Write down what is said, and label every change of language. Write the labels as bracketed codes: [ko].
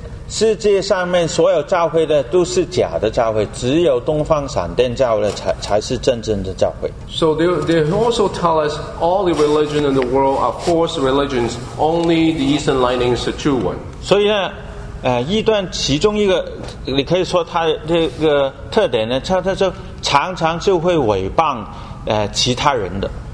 [zh] 世界上面所有教会的都是假的教会，只有东方闪电教的 才是真正的教会。 [en] So they also tell us all the religions in the world are false religions, only the Eastern Lightning is the true one. [zh] 所以呢，异端其中一个，你可以说它这个特点呢，它就常常就会诽谤其他人的。